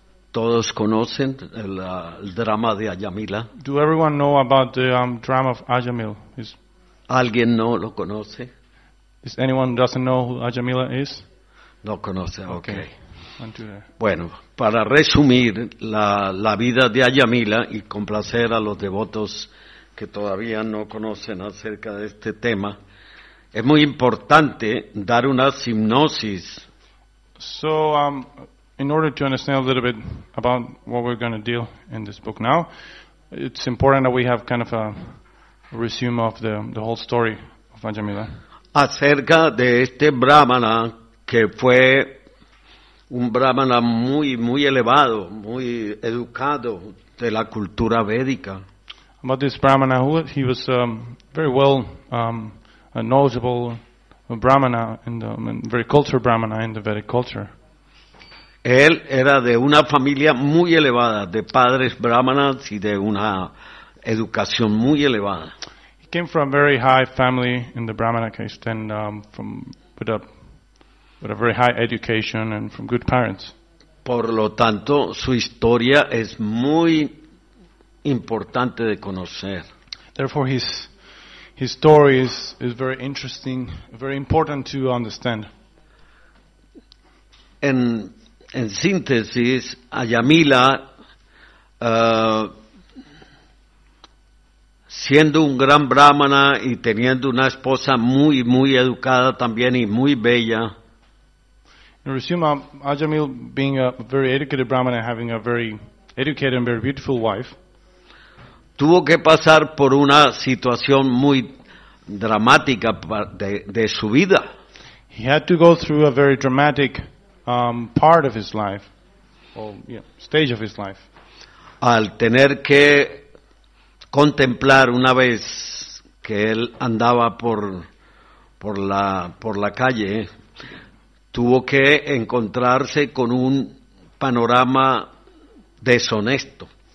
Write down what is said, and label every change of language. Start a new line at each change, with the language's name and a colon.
Spanish: Todos conocen el drama de Ayamila.
English: Do everyone know about the drama of Ayamila? Is
Spanish: alguien no lo conoce?
English: Is anyone doesn't know who Ayamila is?
Spanish: No conoce, okay. Bueno, para resumir la vida de Ayamila y complacer a los devotos que todavía no conocen acerca de este tema, es muy importante dar una sinopsis.
English: So, in order to understand a little bit about what we're going to deal in this book now, it's important that we have kind of a resume of the whole story of Ayamila.
Spanish: Acerca de este brahmana que fue un brahmana muy muy elevado, muy educado de la cultura védica.
English: About this brahmana, he was very well a knowledgeable brahmana in the very cultured brahmana in the Vedic culture.
Spanish: Él era de una familia muy elevada, de padres brahmanas y de una educación muy elevada.
English: He came from a very high family in the brahmana caste and with a very high education and from good parents.
Spanish: Por lo tanto, su historia es muy importante de conocer.
English: Therefore, his story is very interesting, very important to understand.
Spanish: En síntesis, Ayamila, siendo un gran brahmana y teniendo una esposa muy, muy educada también y muy bella,
English: in resume, Ayamila being a very educated brahmana and having a very educated and very beautiful wife,
Spanish: tuvo que pasar por una situación muy dramática de su vida.
English: He had to go through a very dramatic part of his life, or stage of his life.
Spanish: Al tener que contemplar una vez que él andaba por la calle, tuvo que encontrarse con un panorama deshonesto.